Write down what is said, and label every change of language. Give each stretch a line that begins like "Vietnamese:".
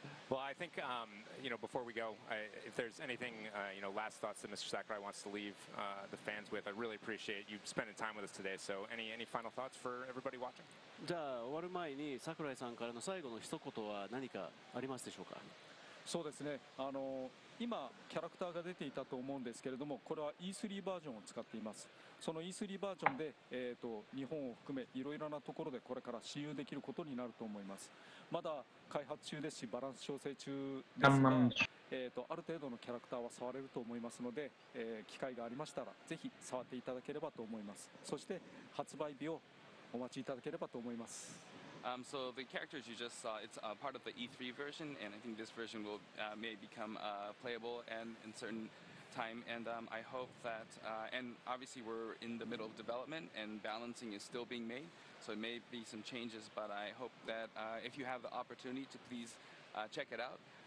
English: Well, I think, you know, before we go, if there's anything, you know, last thoughts that Mr. Sakurai wants to leave the fans with, I really appreciate you spending time with us today. So any final thoughts for everybody watching?
Japanese: じゃあ、終わる前に桜井さんからの最後の一言は何かありますでしょうか?そうですね。今キャラクターが出ていたと思うんですけれども、これは E3 バージョンを使っています。その E3 バージョンで、日本を含めいろいろなところでこれから試遊できることになると思います。まだ開発中ですし、バランス調整中ですが、ある程度のキャラクターは触れると思いますので、機会がありましたらぜひ触っていただければと思います。そして発売日をお待ちいただければと思います。
English: So the characters you just saw, it's part of the E3 version, and I think this version will may become playable and in certain time. And I hope that, and obviously we're in the middle of development and balancing is still being made, so it may be some changes, but I hope that if you have the opportunity to please check it out.